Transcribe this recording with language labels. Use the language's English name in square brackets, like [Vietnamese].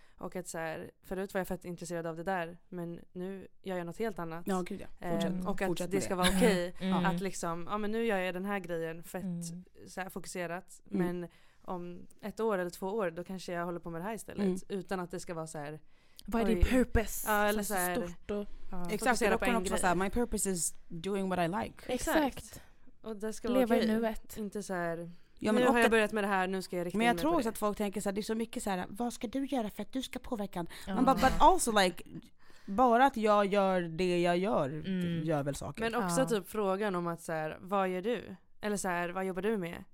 [Swedish] Och att så här, förut var jag fett intresserad av det där, men nu gör jag något helt annat. Ja, gud ja. Fortsätt det ska vara okej. Okay att liksom, ja, men nu gör jag den här grejen fett så här fokuserat. Men om 1 år eller 2 år, då kanske jag håller på med det här istället. Utan att det ska vara så här, vad är din purpose? Ja, eller så här, exakt, fokusera på en grej. Så här, [English] my purpose is doing what I like. [Swedish] Exakt. Och det ska leva vara okej. Leva i nuet. Inte så här... Ja, men nu har jag börjat med det här, nu ska jag riktigt. Men jag tror också att folk tänker så här, det är så mycket så här, vad ska du göra för att du ska påverka? Man bara, [English] but also like, [Swedish] bara att jag gör det jag gör, gör väl saker. Men också typ frågan om att så här, vad gör du? Eller så här, vad jobbar du med?